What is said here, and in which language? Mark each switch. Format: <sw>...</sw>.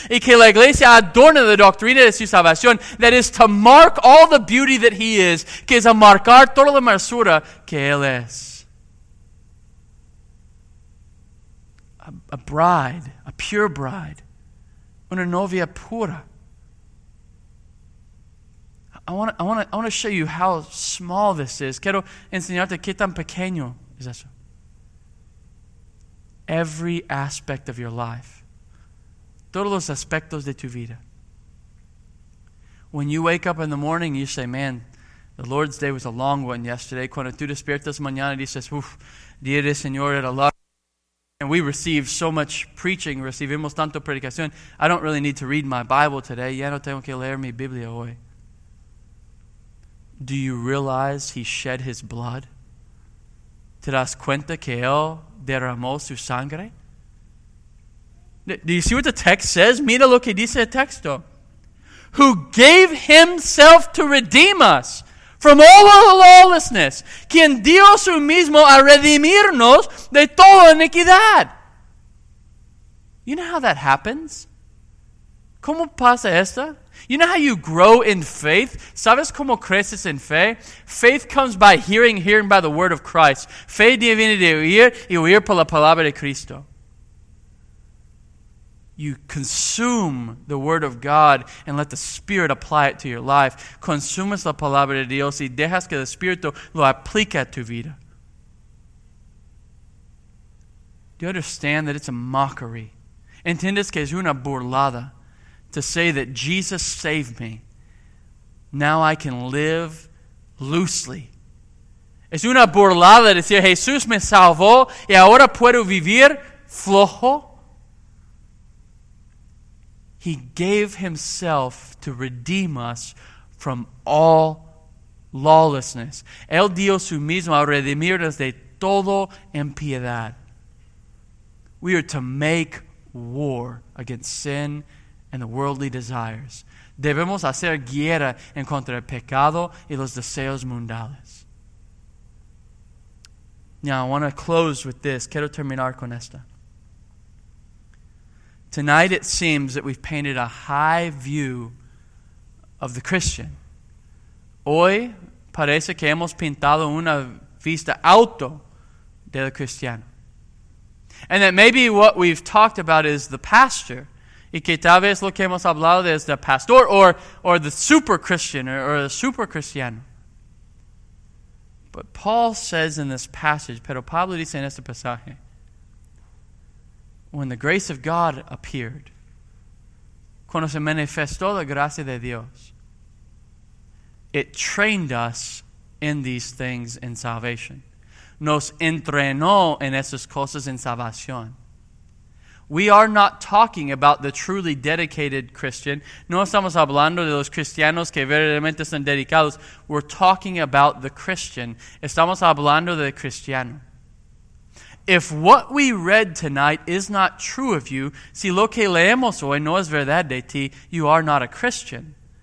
<es>Y que la iglesia adorne la doctrina de su salvación,</es> <en>that is to mark all the beauty that he is,</en> <es>que es a marcar toda la hermosura que él es.</es> <en>A bride, a pure bride,</en> <es>una novia pura.</es> <en>I want to show you how small this is.</en> <es>Quiero enseñarte qué tan pequeño es eso.</es> <en>Every aspect of your life.</en> <es>Todos los aspectos de tu vida.</es> <en>When you wake up in the morning, you say, man, the Lord's day was a long one yesterday.</en> <es>Cuando tú despiertas mañana, dices, uff, día de Señor era largo.</es> <en>And we receive so much preaching,</en> <es>recibimos tanto predicación.</es> <en>I don't really need to read my Bible today.</en> <es>Ya no tengo que leer mi Biblia hoy.</es> <en>Do you realize he shed his blood?</en> <es>¿Te das cuenta que él derramó su sangre?</es> <en>Do you see what the text says?</en> <es>Mira lo que dice el texto.</es> <en>Who gave himself to redeem us from all our lawlessness.</en> <es>Quien dio su mismo a redimirnos de toda iniquidad.</es> <en>You know how that happens?</en> <es>¿Cómo pasa esto?</es> <en>You know how you grow in faith?</en> <es>¿Sabes cómo creces en fe?</es> <en>Faith comes by hearing by the word of Christ.</en> <es>Fe viene de oír y oír por la palabra de Cristo.</es> <en>You consume the word of God and let the Spirit apply it to your life.</en> <es>Consumes la palabra de Dios y dejas que el Espíritu lo aplique a tu vida.</es> <en>Do you understand that it's a mockery?</en> <es>¿Entiendes que es una burlada?</es> <en>To say that Jesus saved me. Now I can live loosely.</en> <es>Es una burlada decir, Jesús me salvó y ahora puedo vivir flojo.</es> <en>He gave himself to redeem us from all lawlessness.</en> <es>Él dio su mismo a redimirnos de todo impiedad.</es> <en>We are to make war against sin and the worldly desires.</en> <es>Debemos hacer guerra en contra del pecado y los deseos mundales.</es> <en>Now, I want to close with this.</en> <es>Quiero terminar con esta.</es> <en>Tonight, it seems that we've painted a high view of the Christian.</en> <es>Hoy, parece que hemos pintado una vista alto del cristiano.</es> <en>And that maybe what we've talked about is the pastor.</en> <es>Y que tal vez lo que hemos hablado es de pastor</es> <en>or the super Christian or the super</en> <es>cristiano.</es> <en>But Paul says in this passage,</en> <es>pero Pablo dice en este pasaje,</es> <en>when the grace of God appeared,</en> <es>cuando se manifestó la gracia de Dios,</es> <en>it trained us in these things in salvation.</en> <es>Nos entrenó en esas cosas en salvación.</es> <en>We are not talking about the truly dedicated Christian.</en> <es>No estamos hablando de los cristianos que verdaderamente son dedicados.</es> <en>We're talking about the Christian.</en> <es>Estamos hablando del cristiano.</es> <en>If what we read tonight is not true of you,</en> <es>si lo que leemos hoy no es verdad de ti,</es> <en>you are not a Christian.</en>